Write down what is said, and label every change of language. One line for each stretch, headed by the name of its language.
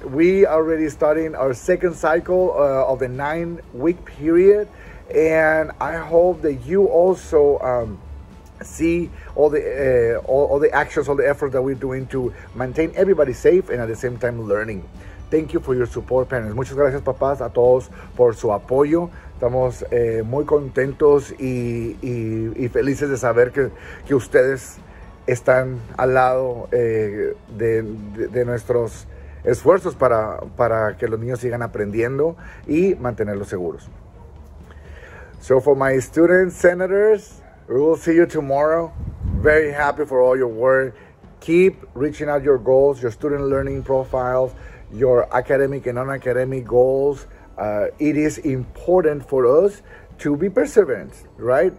English: We are already starting our second cycle of the 9-week period. And I hope that you also see all the actions, all the efforts that we're doing to maintain everybody safe and at the same time learning. Thank you for your support, parents.
Spanish: Muchas gracias, papás, a todos por su apoyo. Estamos muy contentos y felices de saber que ustedes están al lado de nuestros esfuerzos para que los niños sigan aprendiendo y mantenerlos seguros.
English: So for my students, senators, we will see you tomorrow. Very happy for all your work. Keep reaching out your goals, your student learning profiles, your academic and non-academic goals. It is important for us to be perseverant, right?